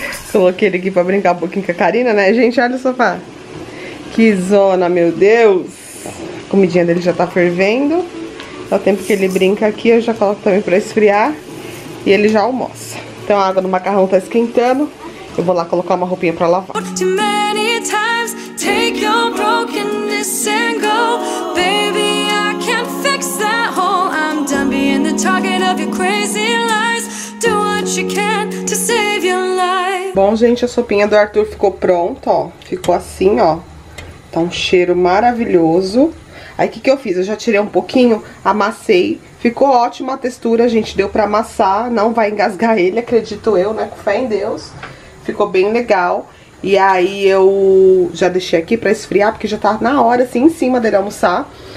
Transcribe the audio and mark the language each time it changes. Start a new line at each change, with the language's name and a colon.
Portuguese: Coloquei ele aqui pra brincar um pouquinho com a Karina, né? Gente, olha o sofá. Que zona, meu Deus! A comidinha dele já tá fervendo. Dá tempo que ele brinca aqui, eu já coloco também pra esfriar. E ele já almoça. Então a água do macarrão tá esquentando. Eu vou lá colocar uma roupinha pra lavar.
English: Too many times, take your brokenness and go. Baby, I can't fix that hole. I'm done being the target of your crazy lies. Do what you can to save your life.
Portuguese: Bom, gente, a sopinha do Arthur ficou pronta, ó. Ficou assim, ó. Tá um cheiro maravilhoso. Aí o que eu fiz? Eu já tirei um pouquinho, amassei. Ficou ótima a textura, gente. Deu pra amassar. Não vai engasgar ele, acredito eu, né? Com fé em Deus. Ficou bem legal. E aí eu já deixei aqui pra esfriar, porque já tá na hora, assim, em cima dele almoçar.